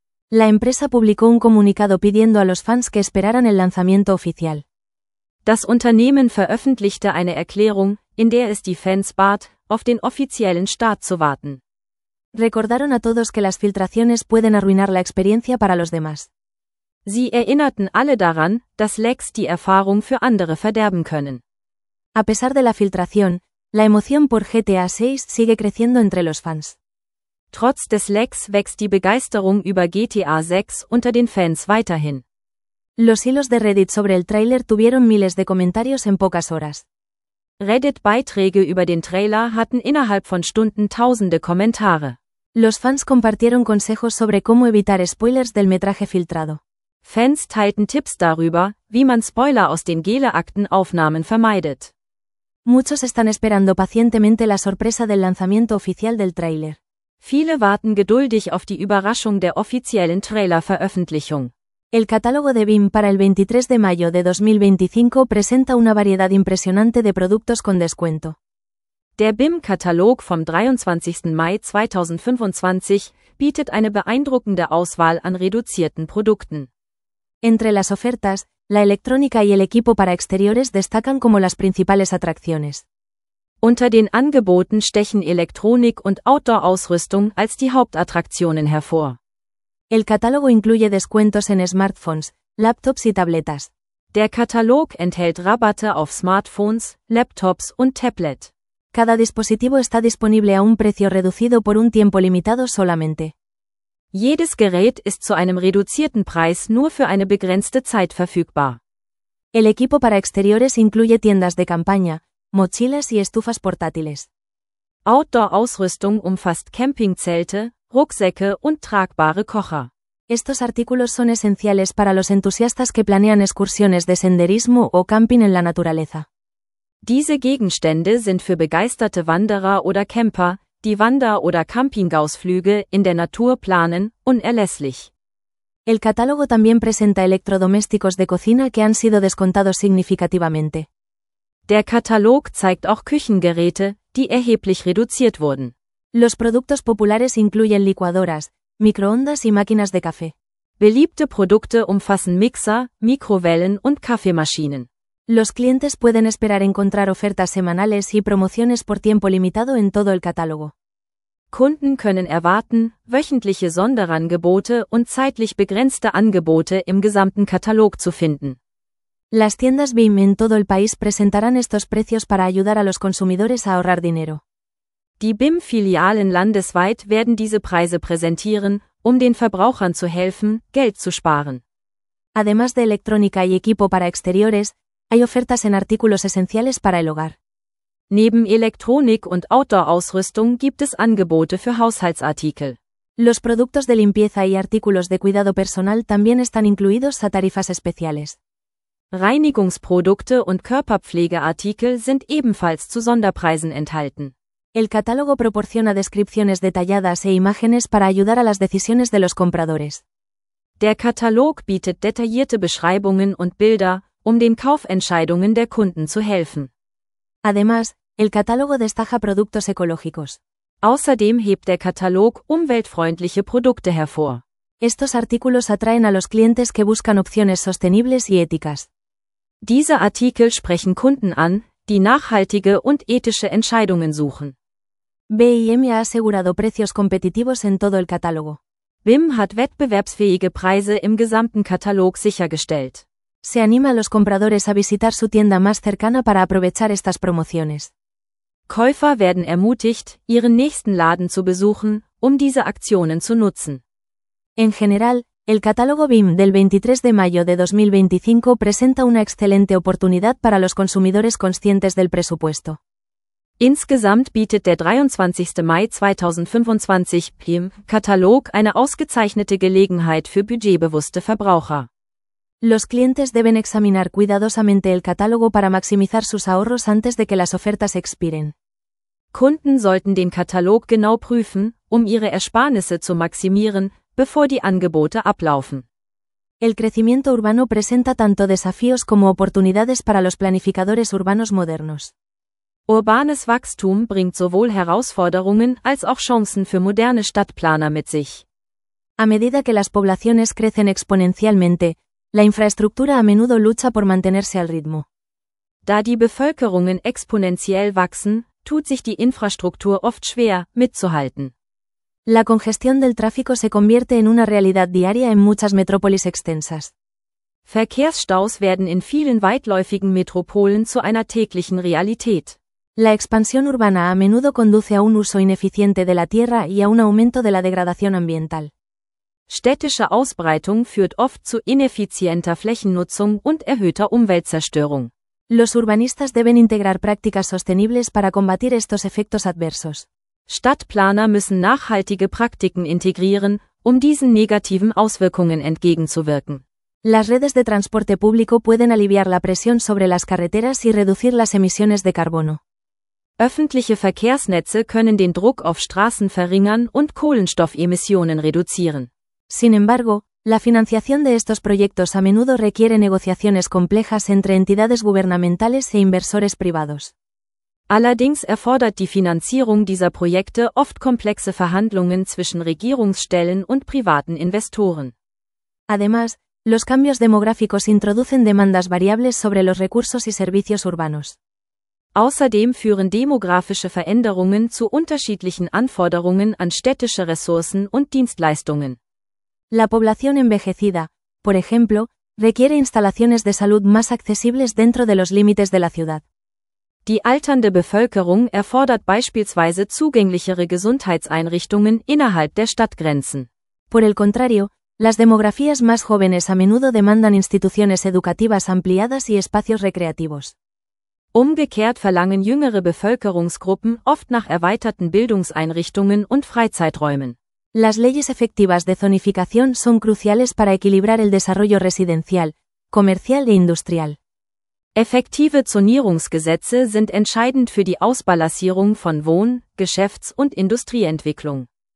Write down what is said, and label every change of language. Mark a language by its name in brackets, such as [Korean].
[Spanish] La empresa publicó un comunicado pidiendo a los fans que esperaran el lanzamiento oficial. [German] Das Unternehmen veröffentlichte eine Erklärung, in der es die Fans bat, auf den offiziellen Start zu warten. [Spanish] Recordaron a todos que las filtraciones pueden arruinar la experiencia para los demás. [German] Sie erinnerten alle daran, dass Lecks die Erfahrung für andere verderben können. [Spanish] A pesar de la filtración, la emoción por GTA 6 sigue creciendo entre los fans. [German] Trotz des Lecks wächst die Begeisterung über GTA 6 unter den Fans weiterhin. [Spanish] Los hilos de Reddit sobre el tráiler tuvieron miles de comentarios en pocas horas. [German] Reddit-Beiträge über den Trailer hatten innerhalb von Stunden tausende Kommentare. [Spanish] Los fans compartieron consejos sobre cómo evitar spoilers del metraje filtrado. [German] Fans teilten Tipps darüber, wie man Spoiler aus den Gela-Akten-Aufnahmen vermeidet. [Spanish] Muchos están esperando pacientemente la sorpresa del lanzamiento oficial del tráiler. [German] Viele warten geduldig auf die Überraschung der offiziellen Trailer-Veröffentlichung. [Spanish] El catálogo de BIM para el 23 de mayo de 2025 presenta una variedad impresionante de productos con descuento. [German] Der BIM-Katalog vom 23. Mai 2025 bietet eine beeindruckende Auswahl an reduzierten Produkten. [Spanish] Entre las ofertas, la electrónica y el equipo para exteriores destacan como las principales atracciones. [German] Unter den Angeboten stechen Elektronik und Outdoor-Ausrüstung als die Hauptattraktionen hervor. [Spanish] El catálogo incluye descuentos en smartphones, laptops y tabletas. [German] Der Katalog enthält Rabatte auf Smartphones, Laptops und Tablet. [Spanish] Cada dispositivo está disponible a un precio reducido por un tiempo limitado solamente. [German] Jedes Gerät ist zu einem reduzierten Preis nur für eine begrenzte Zeit verfügbar. [Spanish] El equipo para exteriores incluye tiendas de campaña, mochilas y estufas portátiles. [German] Outdoor-Ausrüstung umfasst Campingzelte, Rucksäcke und tragbare Kocher. [Spanish] Estos artículos son esenciales para los entusiastas que planean excursiones de senderismo o camping en la naturaleza. [German] Diese Gegenstände sind für begeisterte Wanderer oder Camper, die Wander- oder Campingausflüge in der Natur planen, unerlässlich. [Spanish] El catálogo también presenta electrodomésticos de cocina que han sido descontados significativamente. [German] Der Katalog zeigt auch Küchengeräte, die erheblich reduziert wurden. [Spanish] Los productos populares incluyen licuadoras, microondas y máquinas de café. [German] Beliebte Produkte umfassen Mixer, Mikrowellen und Kaffeemaschinen. [Spanish] Los clientes pueden esperar encontrar ofertas semanales y promociones por tiempo limitado en todo el catálogo. [German] Kunden können erwarten, wöchentliche Sonderangebote und zeitlich begrenzte Angebote im gesamten Katalog zu finden. [Spanish] Las tiendas BIM en todo el país presentarán estos precios para ayudar a los consumidores a ahorrar dinero. [German] Die BIM-Filialen landesweit werden diese Preise präsentieren, um den Verbrauchern zu helfen, Geld zu sparen. [Spanish] Además de electrónica y equipo para exteriores, hay ofertas en artículos esenciales para el hogar. [German] Neben Elektronik und Outdoor-Ausrüstung gibt es Angebote für Haushaltsartikel. [Spanish] Los productos de limpieza y artículos de cuidado personal también están incluidos a tarifas especiales. [German] Reinigungsprodukte und Körperpflegeartikel sind ebenfalls zu Sonderpreisen enthalten. [Spanish] El catálogo proporciona descripciones detalladas e imágenes para ayudar a las decisiones de los compradores. [German] Der Katalog bietet detaillierte Beschreibungen und Bilder, um den Kaufentscheidungen der Kunden zu helfen. [Spanish] Además, el catálogo destaca productos ecológicos. [German] Außerdem hebt der Katalog umweltfreundliche Produkte hervor. [Spanish] Estos artículos atraen a los clientes que buscan opciones sostenibles y éticas. [German] Diese Artikel sprechen Kunden an, die nachhaltige und ethische Entscheidungen suchen. [Spanish] BIM ha asegurado precios competitivos en todo el catálogo. [German] BIM hat wettbewerbsfähige Preise im gesamten Katalog sichergestellt. [Spanish] Se anima a los compradores a visitar su tienda más cercana para aprovechar estas promociones. [German] Käufer werden ermutigt, ihren nächsten Laden zu besuchen, um diese Aktionen zu nutzen. [Spanish] En general, El catálogo BIM del 23 de mayo de 2025 presenta una excelente oportunidad para los consumidores conscientes del presupuesto. [German] Insgesamt bietet der 23. Mai 2025 BIM-Katalog eine ausgezeichnete Gelegenheit für budgetbewusste Verbraucher. [Spanish] Los clientes deben examinar cuidadosamente el catálogo para maximizar sus ahorros antes de que las ofertas expiren. [German] Kunden sollten den Katalog genau prüfen, um ihre Ersparnisse zu maximieren, bevor die Angebote ablaufen. [Spanish] El crecimiento urbano presenta tanto desafíos como oportunidades para los planificadores urbanos modernos. [German] Urbanes Wachstum bringt sowohl Herausforderungen als auch Chancen für moderne Stadtplaner mit sich. [Spanish] A medida que las poblaciones crecen exponencialmente, la infraestructura a menudo lucha por mantenerse al ritmo. [German] Da die Bevölkerungen exponentiell wachsen, tut sich die Infrastruktur oft schwer, mitzuhalten. [Spanish] La congestión del tráfico se convierte en una realidad diaria en muchas metrópolis extensas. [German] Verkehrsstaus werden in vielen weitläufigen Metropolen zu einer täglichen Realität. [Spanish] La expansión urbana a menudo conduce a un uso ineficiente de la tierra y a un aumento de la degradación ambiental. [German] Städtische Ausbreitung führt oft zu ineffizienter Flächennutzung und erhöhter Umweltzerstörung. [Spanish] Los urbanistas deben integrar prácticas sostenibles para combatir estos efectos adversos. [German] Stadtplaner müssen nachhaltige Praktiken integrieren, um diesen negativen Auswirkungen entgegenzuwirken. [Spanish] Las redes de transporte público pueden aliviar la presión sobre las carreteras y reducir las emisiones de carbono. [German] Öffentliche Verkehrsnetze können den Druck auf Straßen verringern und Kohlenstoffemissionen reduzieren. [Spanish] Sin embargo, la financiación de estos proyectos a menudo requiere negociaciones complejas entre entidades gubernamentales e inversores privados. [German] Allerdings erfordert die Finanzierung dieser Projekte oft komplexe Verhandlungen zwischen Regierungsstellen und privaten Investoren. [Spanish] Además, los cambios demográficos introducen demandas variables sobre los recursos y servicios urbanos. [German] Außerdem führen demografische Veränderungen zu unterschiedlichen Anforderungen an städtische Ressourcen und Dienstleistungen. [Spanish] La población envejecida, por ejemplo, requiere instalaciones de salud más accesibles dentro de los límites de la ciudad. [German] Die alternde Bevölkerung erfordert beispielsweise zugänglichere Gesundheitseinrichtungen innerhalb der Stadtgrenzen. [Spanish] Por el contrario, las demografías más jóvenes a menudo demandan instituciones educativas ampliadas y espacios recreativos. [German] Umgekehrt verlangen jüngere Bevölkerungsgruppen oft nach erweiterten Bildungseinrichtungen und Freizeiträumen. [Spanish] Las leyes efectivas de zonificación son cruciales para equilibrar el desarrollo residencial, comercial e industrial. [German] Effektive Zonierungsgesetze sind entscheidend für die Ausbalancierung von Wohn-, Geschäfts- und Industrieentwicklung.